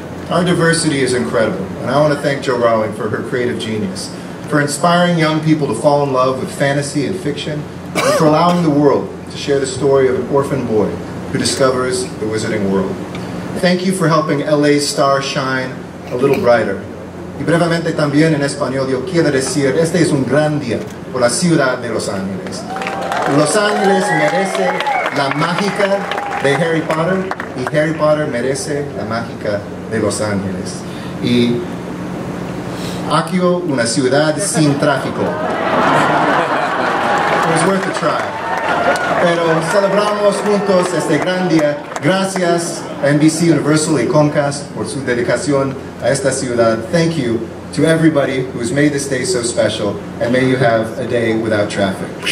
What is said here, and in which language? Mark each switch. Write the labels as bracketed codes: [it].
[en] Our diversity is incredible, and I want to thank Jo Rowling for her creative genius, for inspiring young people to fall in love with fantasy and fiction, and for allowing the world to share the story of an orphan boy who discovers the Wizarding World. Thank you for helping LA's star shine a little brighter. [es] Y brevemente también en español, yo quiero decir, este es un gran día por la ciudad de Los Ángeles. Los Ángeles merece la mágica de Harry Potter, y Harry Potter merece la mágica de Los Ángeles. Y aquí una ciudad sin tráfico. [en] It was worth a try. [es] Pero celebramos juntos este gran día. Gracias, NBC Universal y Comcast, por su dedicación a esta ciudad. [en] Thank you to everybody who's made this day so special, and may you have a day without traffic.